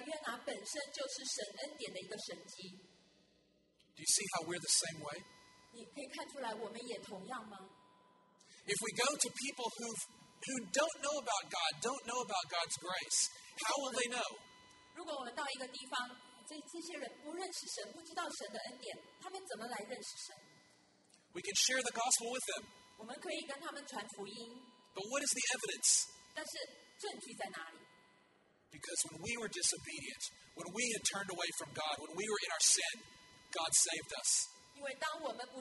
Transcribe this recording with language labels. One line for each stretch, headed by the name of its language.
English: Do you see how we're the same way? If we go to people who don't know about God, don't know about God's grace, how will they know?
Chinese: 如果我们到一个地方, 这些人不认识神, 不知道神的恩典, 他们怎么来认识神?
English: We can share the gospel with them.
Chinese: 我们可以跟他们传福音,
English: but what is the evidence?
Chinese: 但是证据在哪里?
English: Because when we were disobedient, when we had turned away from God, when we were in our sin, God saved us.